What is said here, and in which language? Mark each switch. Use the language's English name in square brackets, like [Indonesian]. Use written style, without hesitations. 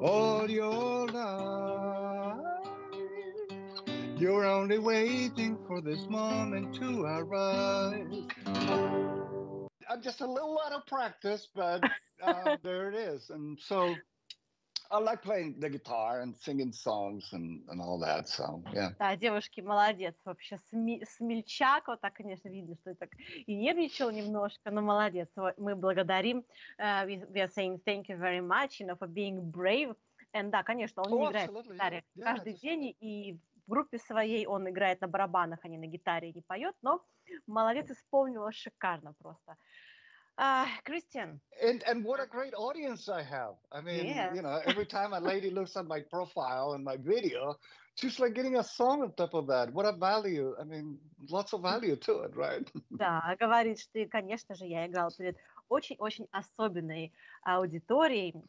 [English] All your life, you're only waiting for this moment to arrive. I'm just a little out of practice, but there it is. And so I like playing the guitar and singing songs and all that. So yeah. [Russian] Да, девушки, молодец. Вообще смельчак, вот так, конечно, видно, что так и нервничал немножко, но молодец. Мы благодарим. [English] We are saying thank you very much, you know, for being brave. [Russian] And да, конечно, он играет на гитаре каждый день, и в группе своей он играет на барабанах, а не на гитаре, не поет. Но молодец, исполнила шикарно просто. [English] Christian. And what a great audience I have. I mean, yes. You know, every time a lady looks at my profile and my video, she's like getting a song on top of that. What a value. I mean, lots of value to it, right? [Russian] Да, говорит, что, конечно же, я играла перед очень-очень особенной аудиторией.